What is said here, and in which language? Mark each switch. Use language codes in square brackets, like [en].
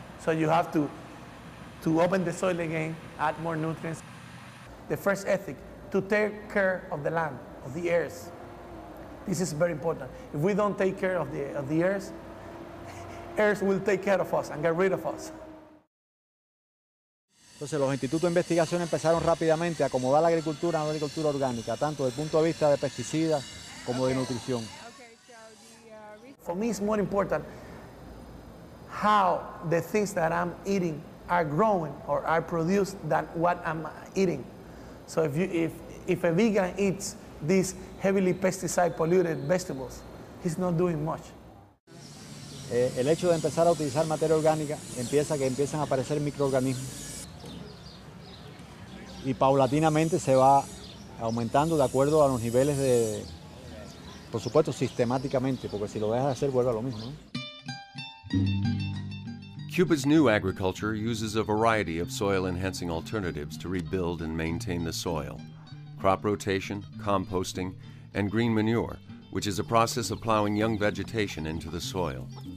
[en] So you have to open the soil again, add more nutrients. The first ethic, to take care of the land, of the earth. This is very important. If we don't take care of the earth will take care of us and get rid of us. [es] Entonces los institutos de investigación empezaron rápidamente a acomodar la agricultura a la agricultura orgánica, tanto desde el punto de vista de pesticidas como de nutrición. [en] For me it's more important how the things that I'm eating are growing or are produced than what I'm eating. So if a vegan eats these heavily pesticide polluted vegetables, he's not doing much. [es] El hecho de empezar a utilizar materia orgánica empieza que empiezan a aparecer microorganismos. Y paulatinamente se va aumentando de acuerdo a los niveles de, por supuesto, sistemáticamente, porque si lo dejas de hacer vuelve a lo mismo. [en] Cuba's new agriculture uses a variety of soil-enhancing alternatives to rebuild and maintain the soil. Crop rotation, composting, and green manure, which is a process of plowing young vegetation into the soil.